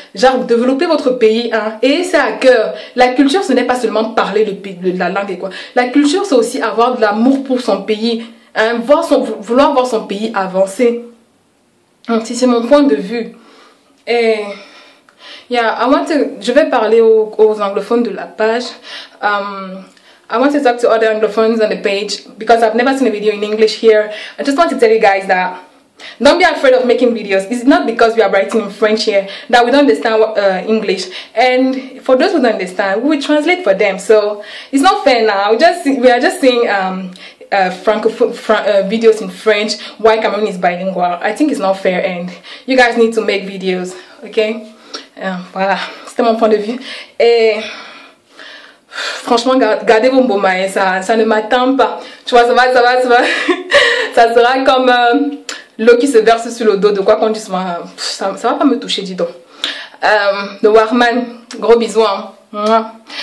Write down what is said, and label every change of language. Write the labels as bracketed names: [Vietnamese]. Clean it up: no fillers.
[French] Genre, développez votre pays, hein. Et c'est à cœur. La culture, ce n'est pas seulement parler la langue et quoi. La culture, c'est aussi avoir de l'amour pour son pays. Hein. Vouloir voir son pays avancer. Donc, si c'est mon point de vue, et je vais parler aux anglophones de la page. [English] I want to talk to other anglophones on the page because I've never seen a video in English here. I just want to tell you guys that don't be afraid of making videos. It's not because we are writing in French here that we don't understand English. And for those who don't understand, we will translate for them. So it's not fair now. We are just saying videos in French, why Cameroon is bilingual. I think it's not fair and you guys need to make videos, okay? [French] Voilà, c'était mon point de vue. Et franchement, gardez vos mots, mais ça ne m'atteint pas. Tu vois, ça va. Ça sera comme l'eau qui se verse sur le dos de quoi qu'on dise. Ça va pas me toucher, dis donc. The Warman, gros bisous. Hein.